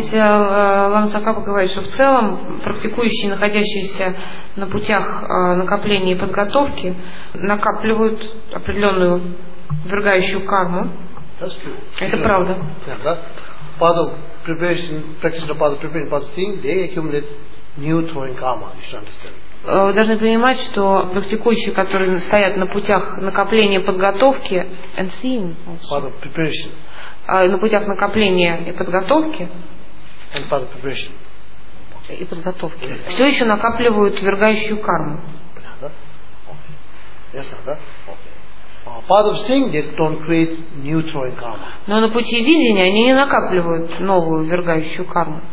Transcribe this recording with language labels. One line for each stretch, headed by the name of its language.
Russian: Здесь Лама Цакапа говорит, что в целом практикующие, находящиеся на путях накопления и подготовки, накапливают определенную ввергающую карму.
English: That's true.
Russian: Это правда.
English: Yeah, that. Preparation, practice of path of preparation, path of seeing, they accumulate new throwing karma. You should understand.
Russian: Вы должны понимать, что практикующие, которые стоят на путях накопления подготовки
English: and seeing, path of preparation,
Russian: на путях накопления и подготовки
English: and path of preparation
Russian: и подготовки, yes. Все еще накапливают ввергающую карму.
English: Yes, sir, да? Part of seeing, they don't create new throwing karma.
Russian: Но на пути видения они не накапливают новую ввергающую карму.